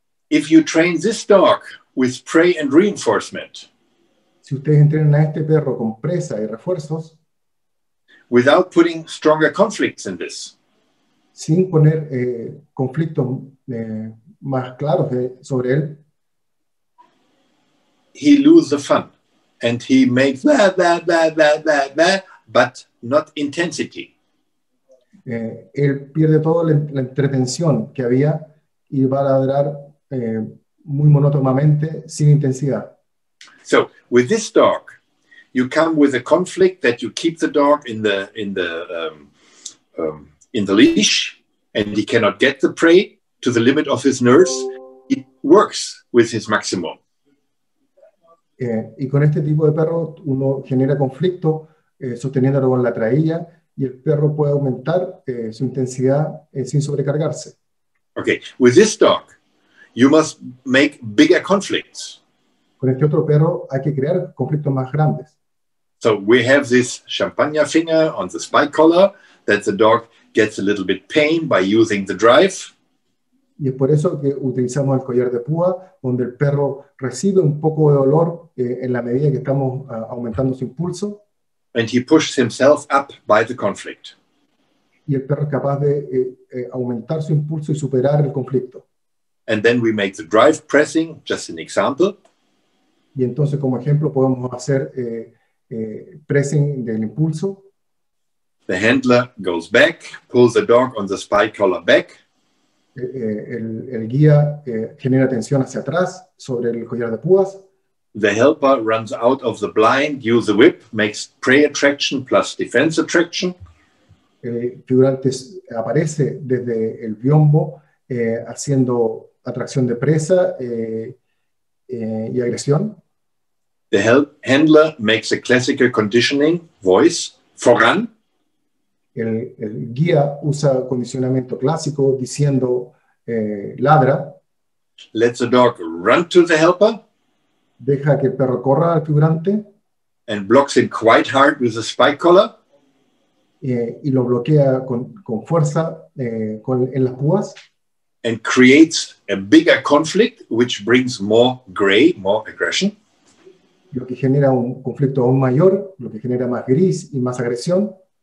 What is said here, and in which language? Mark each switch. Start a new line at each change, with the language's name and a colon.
English: If you train this dog with prey and reinforcement,
Spanish: si ustedes entrenan a este perro con presa y refuerzos,
English: without putting stronger conflicts in this,
Spanish: sin poner conflictos más claros sobre él,
English: he loses the fun and he makes blah blah blah blah blah blah, but not intensity.
Spanish: Él pierde toda la entretención que había y va a ladrar muy monótonamente, sin intensidad.
English: So, with this dog, you come with a conflict that you keep the dog in the leash and he cannot get the prey to the limit of his nerves. It works with his maximum.
Spanish: Y con este tipo de perro, uno genera conflicto sosteniéndolo con la traílla, y el perro puede aumentar su intensidad sin sobrecargarse.
English: Okay, with this dog, you must make bigger conflicts.
Spanish: Con este otro perro hay que crear conflictos más grandes.
English: So we have this champagne finger on the spike collar that the dog gets a little bit pain by using the drive.
Spanish: Y es por eso que utilizamos el collar de púa, donde el perro recibe un poco de dolor en la medida que estamos aumentando su impulso.
English: And he pushes himself up by the conflict.
Spanish: Y el perro es capaz de aumentar su impulso y superar el conflicto.
English: And then we make the drive pressing, just an example.
Spanish: Y entonces, como ejemplo, podemos hacer pressing del impulso.
English: The handler goes back, pulls the dog on the spike collar back.
Spanish: El guía genera tensión hacia atrás sobre el collar de púas.
English: The helper runs out of the blind, uses the whip, makes prey attraction plus defense attraction.
Spanish: El figurante aparece desde el biombo haciendo atracción de presa y agresión.
English: The handler makes a classical conditioning voice, foran.
Spanish: El guía usa condicionamiento clásico diciendo ladra.
English: Let the dog run to the helper.
Spanish: Deja que el perro corra al figurante.
English: And blocks him quite hard with a spike collar.
Spanish: Y lo bloquea con fuerza en las púas.
English: And creates a bigger conflict, which brings more gray, more aggression.
Spanish: Lo que genera un conflicto aún mayor, lo que genera más gris y más agresión.